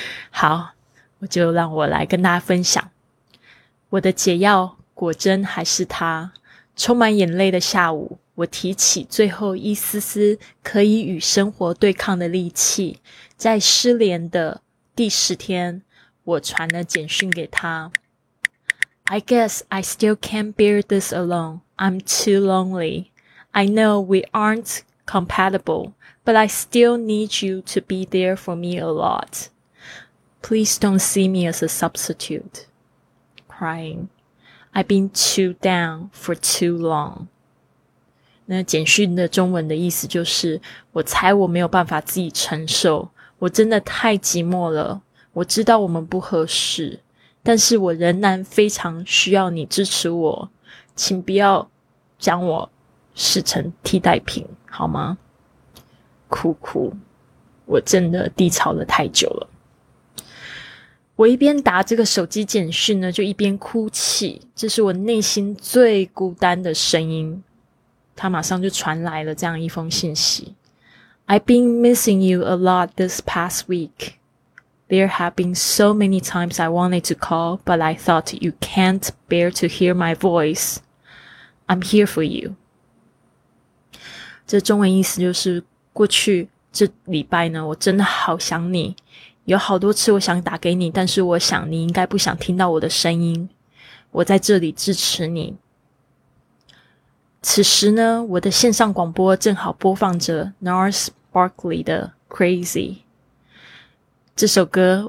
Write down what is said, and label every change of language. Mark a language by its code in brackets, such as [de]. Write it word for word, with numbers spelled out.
[zh] 好，我就让我来跟大家分享。我的解药果真还是他。充满眼泪的下午，我提起最后一丝丝可以与生活对抗的力气，在失联的第十天，我传了简讯给他。 [en] I guess I still can't bear this alone. I'm too lonely. I know we aren't compatible, but I still need you to be there for me a lot. Please don't see me as a substitute. Crying. I've been too down for too long. [zh] 那简讯的中文的意思就是，我猜我没有办法自己承受，我真的太寂寞了，我知道我们不合适，但是我仍然非常需要你支持我，请不要将我视成替代品，好吗？哭哭，我真的低潮了太久了。我一边打这个手机简讯呢，就一边哭泣，这是我内心最孤单的声音。他马上就传来了这样一封信息。 [en] I've been missing you a lot this past week. There have been so many times I wanted to call, but I thought you can't bear to hear my voice. I'm here for you. [zh] 这中文意思就是，过去这礼拜呢，我真的好想你，有好多次我想打给你，但是我想你应该不想听到我的声音。我在这里支持你。此时呢，我的线上广播正好播放着 Nars Barkley 的 Crazy 这首歌。